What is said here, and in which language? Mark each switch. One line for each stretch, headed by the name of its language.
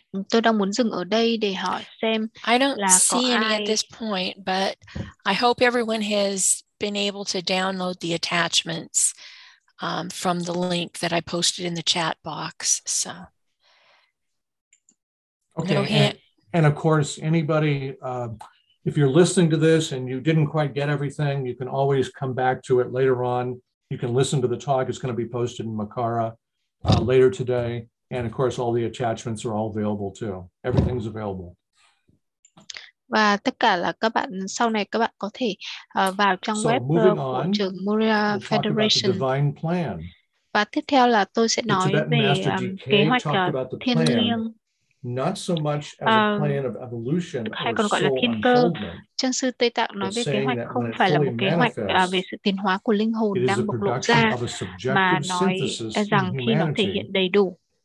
Vietnamese: Tôi đang muốn dừng ở đây để hỏi xem
English: I don't
Vietnamese: là
English: see
Vietnamese: có
English: any
Vietnamese: ai...
English: at this point, but I hope everyone has been able to download the attachments from the link that I posted in the chat box. So okay, and of course, anybody, if you're listening to this and you didn't quite get everything, you can always come back to it later on. You can listen to the talk. It's going to be posted in Makara later today. And of course, all the attachments are all available too. Everything's available.
Vietnamese: Và tất cả là các bạn sau này các bạn có thể vào trong web của trường Moria Federation.
English: The divine plan.
Vietnamese: Và tiếp theo là tôi sẽ nói về kế hoạch thiên liêng.
English: Not so much as a plan of evolution
Vietnamese: hay còn gọi là thiên cơ. Chân sư Tây Tạng nói về kế hoạch không phải là một kế hoạch về sự tiến hóa của linh hồn đang bộc lộ ra, mà nói rằng khi nó thể hiện đầy đủ.